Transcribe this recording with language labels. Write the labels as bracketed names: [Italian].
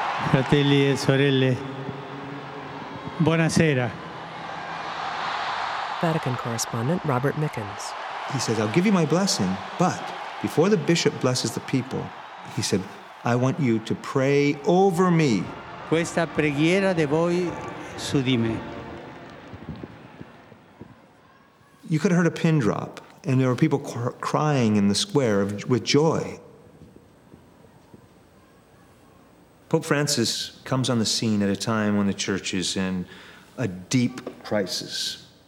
[Italian] Fratelli e sorelle, buonasera. [English] Vatican correspondent Robert Mickens. He says, I'll give you my blessing, but before the bishop blesses the people, he said, I want you to pray over me. [Italian] Questa preghiera de voi su di me. [English] You could have heard a pin drop, and there were people crying in the square with joy. Pope Francis comes on the scene at a time when the church is in a deep crisis.